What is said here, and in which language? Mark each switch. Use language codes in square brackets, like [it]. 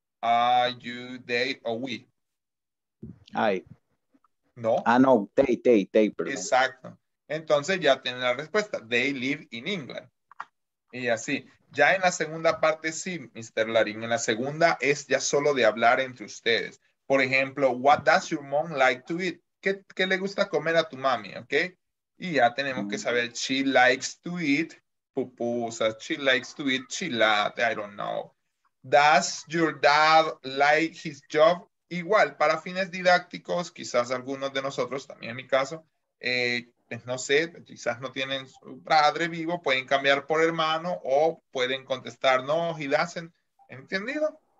[en] Are you, they, o we? Ay. [es] ¿No? Ah, no, they, perdón. Exacto. Entonces ya tienen la respuesta. [en] They live in England. [es] Y así. Ya en la segunda parte, sí, Mr. Larín. En la segunda es ya solo de hablar entre ustedes. Por ejemplo, [en] what does your mom like to eat? [es] ¿Qué le gusta comer a tu mami? ¿Ok? Y ya tenemos que saber, [en] she likes to eat. Pupusas, she likes to eat chilate, I don't know. Does your dad like his job? [es] Igual, para fines didácticos, quizás algunos de nosotros, también en mi caso, no sé, quizás no tienen su padre vivo, pueden cambiar por hermano o pueden contestar, no, [en] he doesn't. [es] ¿Entendido?